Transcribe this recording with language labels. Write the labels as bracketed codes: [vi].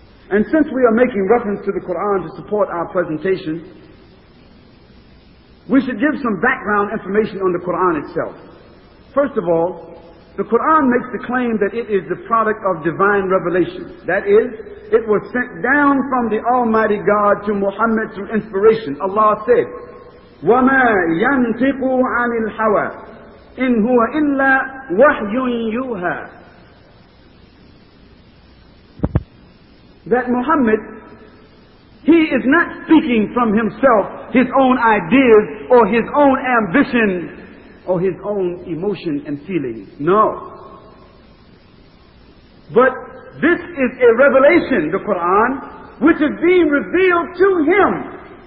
[en] And since we are making reference to the Quran to support our presentation, we should give some background information on the Quran itself. First of all, the Quran makes the claim that it is the product of divine revelation. That is, it was sent down from the Almighty God to Muhammad through inspiration. Allah said, [ar] وَمَا يَنْتِقُ عَنِ الْحَوَى إِنْ هُوَ إِلَّا وَحْيٌ يُوهَى. [en] That Muhammad, he is not speaking from himself, his own ideas, or his own ambition, or his own emotion and feelings. No. But this is a revelation, the Quran, which is being revealed to him.